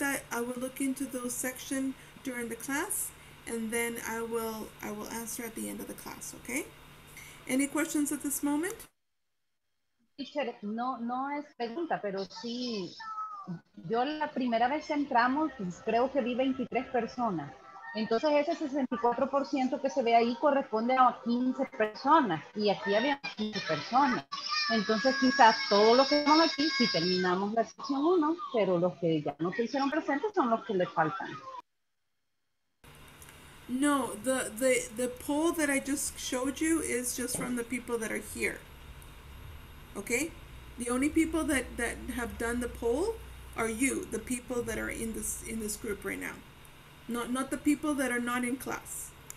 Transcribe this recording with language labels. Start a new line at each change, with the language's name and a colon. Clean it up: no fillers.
English: I will look into those section during the class, and then I will answer at the end of the class, okay? Any questions at this moment?
Spanish: Teacher, no es pregunta, pero sí. Yo la primera vez entramos, creo que vi 23 personas. Entonces ese 64% que se ve ahí corresponde a 15 personas y aquí había 15 personas. Entonces quizás todos los que estamos aquí sí terminamos la sección 1, pero los que ya no se hicieron presentes son los que les faltan.
English: No, the poll that I just showed you is just from the people that are here. Okay? The only people that have done the poll are you, the people that are in this group right now. Not the people that are not in class.